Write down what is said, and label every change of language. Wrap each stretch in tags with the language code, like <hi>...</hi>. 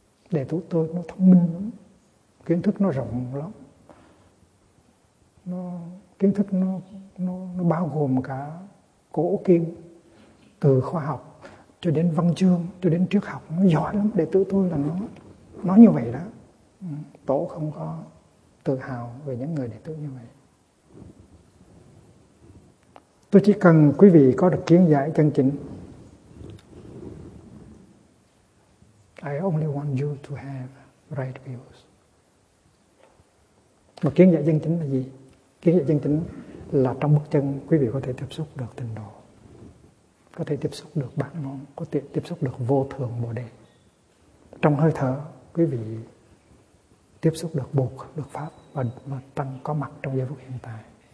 <vi>Đệ tử tôi nó thông minh lắm, kiến thức nó rộng lắm, kiến thức nó bao gồm cả cổ kim, từ khoa học cho đến văn chương cho đến triết học, nó giỏi lắm. Đệ tử tôi là nó như vậy đó. Tổ không có tự hào về những người đệ tử như vậy. Tôi chỉ cần quý vị có được kiến giải chân chính.</vi> <en>I only want you to have right views.</en> <vi>Mà kiến giải chân chính là gì? Kiến giải chân chính là trong bước chân quý vị có thể tiếp xúc được tịnh độ, có thể tiếp xúc được bản môn, có thể tiếp xúc được vô thường bồ đề. Trong hơi thở quý vị tiếp xúc được buộc, được pháp và tăng có mặt trong giây phút hiện tại.</vi>